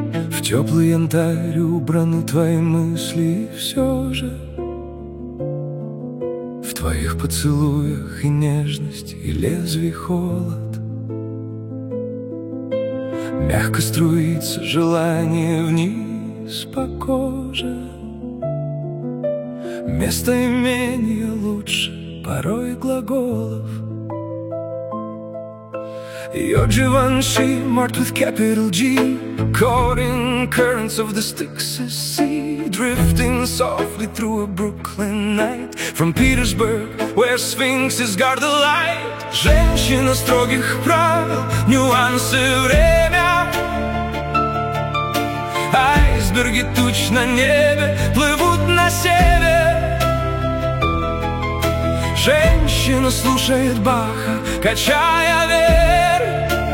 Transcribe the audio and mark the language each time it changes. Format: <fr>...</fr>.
<ru>В теплый янтарь убраны твои мысли, и все же в твоих поцелуях и нежность, и лезвий холод. Мягко струится желание вниз по коже. Местоимение лучше порой глаголов.</ru> <en>Your Givenchy, marked with capital G, caught in currents of the Styx's sea, drifting softly through a Brooklyn night, from Petersburg, where sphinxes guard the light.</en> <ru>Женщина строгих правил, нюансы время, айсберги туч на небе плывут на север. Женщина слушает Баха, качая веер.</ru>